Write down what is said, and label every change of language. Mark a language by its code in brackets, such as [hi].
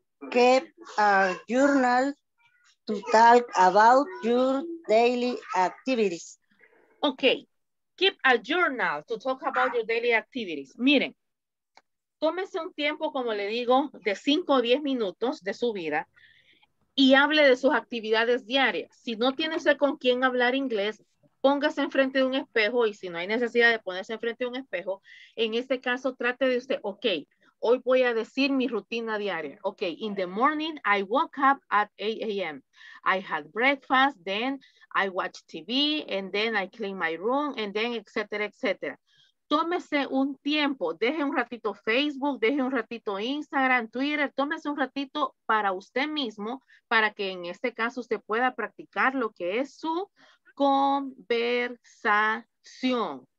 [en] Keep a journal to talk about your daily activities. Okay, keep a journal to talk about your daily activities. [es] Miren, tómese un tiempo, como le digo, de 5 o 10 minutos de su vida y hable de sus actividades diarias. Si no tiene usted con quién hablar inglés, póngase enfrente de un espejo, y si no hay necesidad de ponerse enfrente de un espejo, en este caso trate de usted, ok, hoy voy a decir mi rutina diaria. [en] Ok, in the morning, I woke up at 8 a.m. I had breakfast, then I watched TV, and then I cleaned my room, and then etcétera, etcétera. [es] Tómese un tiempo, deje un ratito Facebook, deje un ratito Instagram, Twitter, tómese un ratito para usted mismo, para que en este caso usted pueda practicar lo que es su conversación.